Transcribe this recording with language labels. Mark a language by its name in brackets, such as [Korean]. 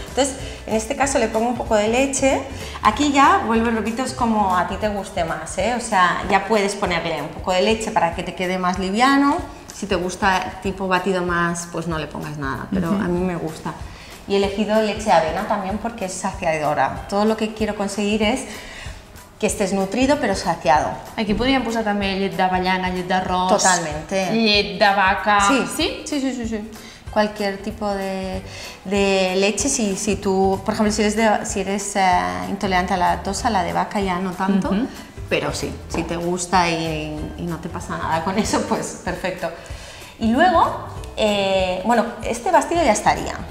[Spanish] Entonces, en este caso le pongo un poco de leche. Aquí ya vuelve, repito, es como a ti te guste más, ¿eh? O sea, ya puedes ponerle un poco de leche para que te quede más liviano. Si te gusta tipo batido más, pues no le pongas nada, pero a mí me gusta. Y he elegido leche de avena también porque es saciadora. Todo lo que quiero conseguir es... que estés nutrido pero saciado. [Catalan] Aquí podríem posar també llet d'avellana, llet d'arròs. [Spanish] Totalmente. [Catalan] Llet de vaca. Sí, sí, sí, sí, sí. [Spanish] Cualquier tipo de leche, si tú, por ejemplo, si eres intolerante a la lactosa, la de vaca ya no tanto, pero sí, si te gusta y no te pasa nada con eso, pues perfecto. Y luego, bueno, este batido ya estaría.